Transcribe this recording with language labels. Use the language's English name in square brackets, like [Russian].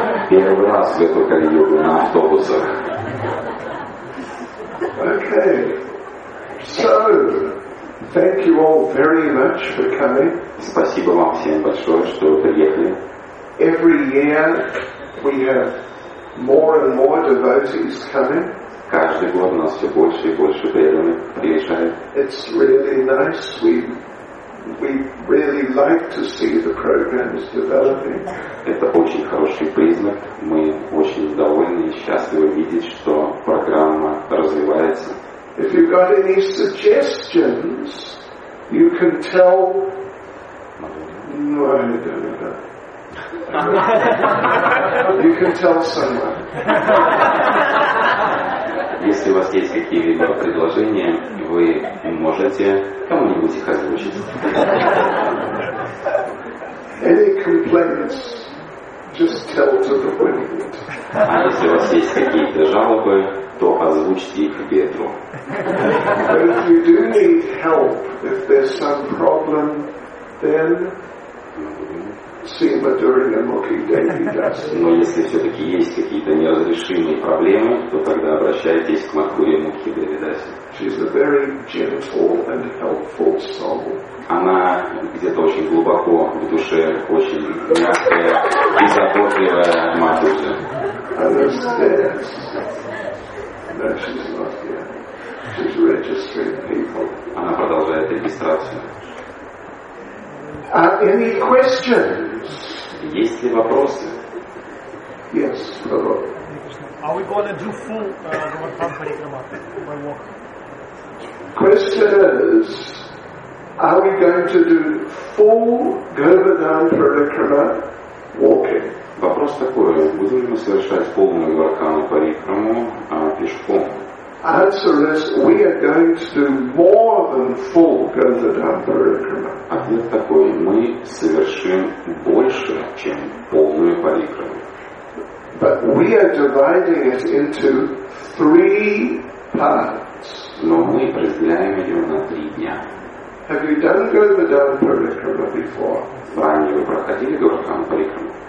[Russian] Первый раз в эту Кали-Югу на автобусах. [English] Okay. So, thank you all very much for coming. [Russian] Спасибо вам всем большое, что приехали. [English] Every year we have more and more devotees coming. [Russian] Каждый год у нас все больше и больше преданных приезжает. [English] It's really nice. We really like to see the programs developing. [Russian] Это очень хороший признак. Мы очень довольны и счастливы видеть, что программа развивается. [English] If you've got any suggestions, you can tell. No, I don't know. You can tell someone. [Russian] Если у вас есть какие-либо предложения, вы можете кому-нибудь их озвучить. [English] Any complaints, just tell to the wind. [Russian] А если у вас есть какие-то жалобы, то озвучьте их ветру. [English] But if you do need help, if there's some problem, then see Madhurya Mukhi Devi Das. [Russian] Но если все-таки есть какие-то неразрешимые проблемы, то тогда обращайтесь к Мадхурья Мукхи Деви Дас. [English] She's a very gentle and helpful soul. [Russian] Она где-то очень глубоко в душе, очень мягкая и заботливая Мадхурья. [English] Understands. No, she's not here. She's registering people. [Russian] Она продолжает регистрацию. [English] Any questions? [Russian] Есть ли вопросы? [English] Yes, hello. Are we going to do full Ramadan Parikrama? Question is, are we going to do full Govardhan Parikrama walking? [Russian] Вопрос такой, будем ли мы совершать полную Ramadan Parikrama пешком? [English] Answer is, we are going to do more than full Govardhan Parikrama. [Russian] Ответ такой, мы совершим больше, чем полную парикраму. [English] But we are dividing it into three parts. [Russian] Но мы разделяем ее на три дня. [English] Have you done Govardhan Parikrama before? [Russian] Ранее вы проходили Govardhan Parikrama?